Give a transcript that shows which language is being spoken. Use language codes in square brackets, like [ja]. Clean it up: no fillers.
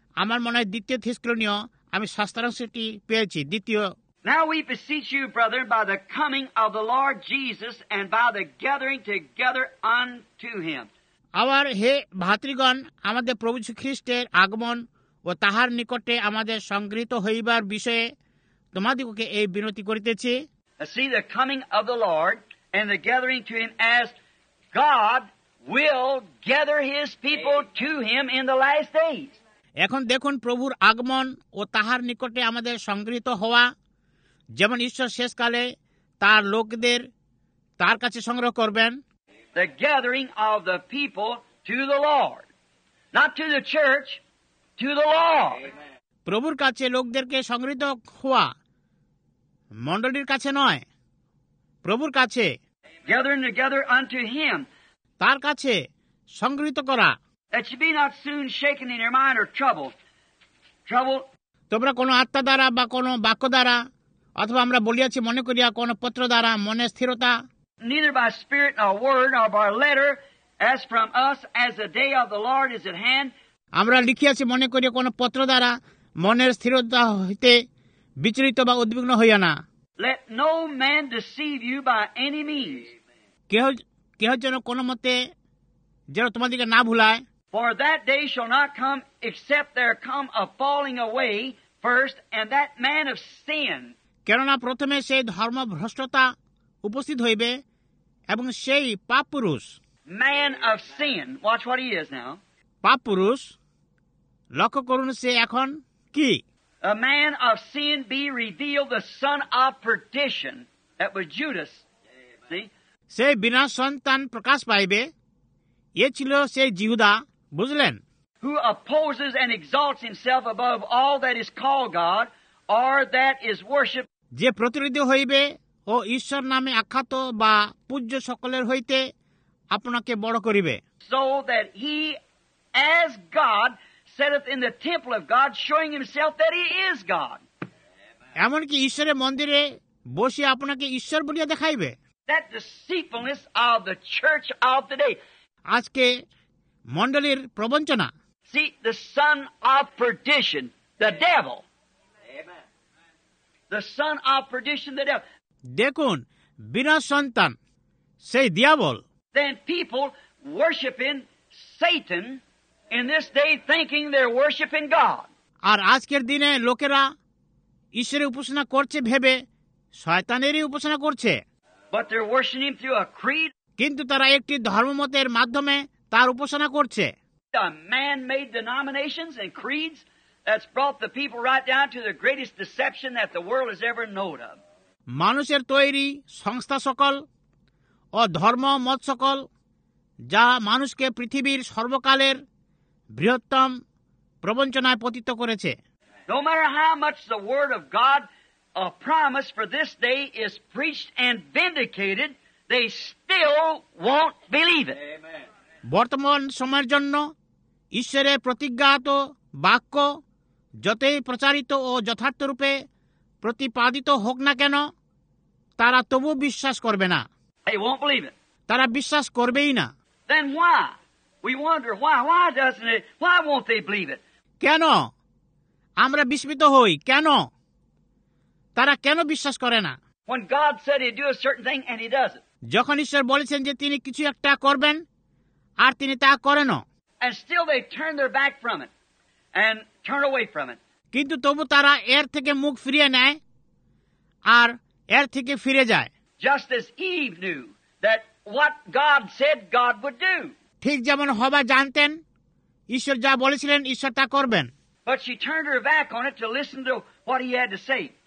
[bn] আমার মনে হয় দ্বিতীয় থিসক্লিনীয় আমি শাস্ত্রাংশটি পেয়েছি। দ্বিতীয় [en] Now we beseech you, brother, by the coming of the Lord Jesus and by the gathering together unto him. [bn] আবার হে ভাতৃগণ, আমাদের প্রভু যীশু খ্রিস্টের আগমন ও তাহার নিকটে আমাদের সংগৃহীত হইবার বিষয়ে তোমাদিগকে এই বিনতি করিতেছি। [en] See the coming of the Lord and the gathering to him as God will gather his people to him in the last days. [bn] এখন দেখুন প্রভুর আগমন ও তাহার নিকটে আমাদের সংগৃহীত হওয়া, যেমন ঈশ্বর শেষকালে তার লোকদের তার কাছে সংগ্রহ করবেন। [en] The gathering of the people to the Lord, not to the church, to the Lord. [bn] প্রভুর কাছে লোকদেরকে সংগৃহীত হওয়া, মণ্ডলীর কাছে নয়, প্রভুর কাছে। [en] Gathering together unto him. [bn] তার কাছে সংগৃহীত করা। [en] That you be not soon shaken in your mind or troubled. [bn] তোমরা কোন আত্মা দ্বারা বা কোন বাক্য দ্বারা অথবা আমরা বলিয়াছি মনে করিয়া কোন পত্র দ্বারা মনে স্থিরতা, [en] neither by spirit nor word nor by letter as from us as the day of the Lord is at hand. [bn] আমরা লিখিয়াছি মনে করিয়া কোন পত্র দ্বারা মনের স্থিরতা হইতে বিচলিত বা উদ্বিগ্ন হইয়া না। [en] Let no man deceive you by any means. [bn] কেহ যেন কোন মতে যেন তোমাদেরকে না ভুলায়। [en] For that day shall not come except there come a falling away first, and that man of sin. [bn] কেননা প্রথমে সেই ধর্মভ্রষ্টতা উপস্থিত হইবে এবং সেই পাপ পুরুষ, [en] man of sin, watch what he is now. [bn] পাপ পুরুষ, লক্ষ্য করুন সে এখন কি। [en] A man of sin be revealed, the son of perdition, that was Judas. [bn] সে বিনাশ সন্তান প্রকাশ পাইবে, এ ছিল সে যিহূদা, বুঝলেন। [en] Who opposes and exalts himself above all that is called God or that is worshiped. [bn] যে প্রতিরোধী হইবে ও ঈশ্বর নামে আখ্যাত বা পূজ্য সকলের হইতে আপনাকে বড় করিবে। [en] So that he as God sitteth in the temple of God showing himself that he is God. [bn] এমনকি ঈশ্বরের মন্দিরে বসে আপনাকে ঈশ্বর বলিয়া দেখাইবে। [en] That deceitfulness of the church of the day. [bn] আজকে মণ্ডলীর প্রবঞ্চনা। [en] See the son of perdition, the devil. The son of perdition, the devil. [bn] দেখুন বিনাশ সন্তান সেই Diavolo. [en] Then people worshiping Satan in this day thinking they're worshiping God. [bn] আর আজকের দিনে লোকেরা ঈশ্বরের উপাসনা করছে ভেবে শয়তানেরই উপাসনা করছে। [en] But they're worshiping through a creed. [bn] কিন্তু তারা একটি ধর্মমতের মাধ্যমে তার উপাসনা করছে। [en] The man-made denominations and creeds. That's brought the people right down to the greatest deception that the world has ever known of. [bn] মানুষের তৈরি সংস্থা সকল ও ধর্ম মত সকল যা মানুষকে পৃথিবীর সর্বকালের বৃহত্তম প্রবঞ্চনায় পতিত করেছে। [en] No matter how much the word of God, a promise for this day is preached and vindicated, they still won't believe it. [bn] বর্তমান সময়ের জন্য ঈশ্বরের প্রতিজ্ঞাত বাক্য যতই প্রচারিত ও যথার্থরূপে প্রতিপাদিত হোক না কেন, তারা তবু বিশ্বাস করবে না। [en] They won't believe it. [bn] তারা বিশ্বাস করবেই না। [en] Then why? We wonder why doesn't it? Why won't they believe it? [bn] কেন আমরা বিস্মিত হই, কেন তারা কেন বিশ্বাস করে না? [en] When God said he'd do a certain thing and he doesn't. [bn] যখন ঈশ্বর বলেছেন যে তিনি কিছু একটা করবেন আর তিনি তা করেন। [en] And still they turn their back from it. And turn away from it. [bn] কিন্তু তবু তারা এর থেকে মুখ ফিরিয়ে নেয় আর এর থেকে ফিরে যায়। [en] Just as Eve knew that what God said God would do. [bn] ঠিক যেমন হবা জানতেন ঈশ্বর যা বলেছিলেন ঈশ্বর তা করবেন। [en] But she turned her back on it to listen to what he had to say.